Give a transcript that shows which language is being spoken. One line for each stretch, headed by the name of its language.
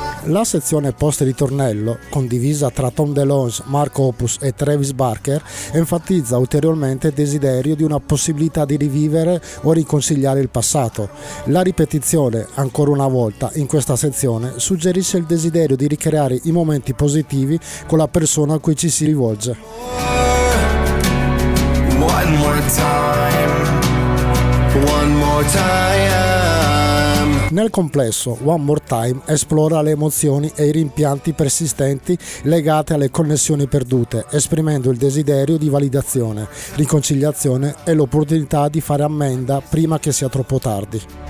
Italian: La sezione post ritornello, condivisa tra Tom DeLonge, Mark Hoppus e Travis Barker, enfatizza ulteriormente il desiderio di una possibilità di rivivere o riconciliare il passato. La ripetizione, ancora una volta, in questa sezione, suggerisce il desiderio di ricreare i momenti positivi con la persona a cui ci si rivolge.
English: One more time, one more time.
Italian: Nel complesso, One More Time esplora le emozioni e i rimpianti persistenti legate alle connessioni perdute, esprimendo il desiderio di validazione, riconciliazione e l'opportunità di fare ammenda prima che sia troppo tardi.